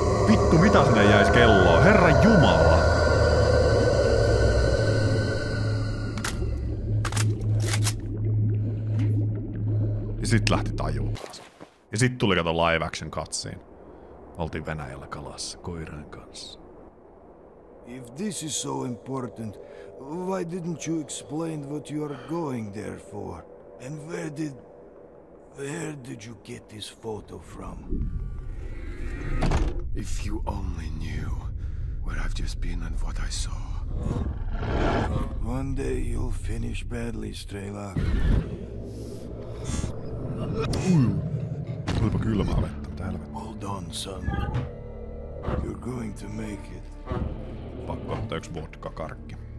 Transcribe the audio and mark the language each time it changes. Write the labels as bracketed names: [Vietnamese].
[Finnish] Vittu, mitä sinne jäis kelloa? Herran jumala! Sit lähti tajumaan. Ja sit tuli kato live action katsiin. Oltiin Venäjällä kalassa koiran kanssa. [English] If this is so important, why didn't you explain what you are going there for? And where did you get this photo from? If you only knew where I've just been and what I saw. One day you'll finish badly, Strela. [Finnish] Olipa kylmää vettä, mitä helvettä. [English] Hold on, son. You're going to make it. [Finnish] Pakko ottaa yks vodka-karkki.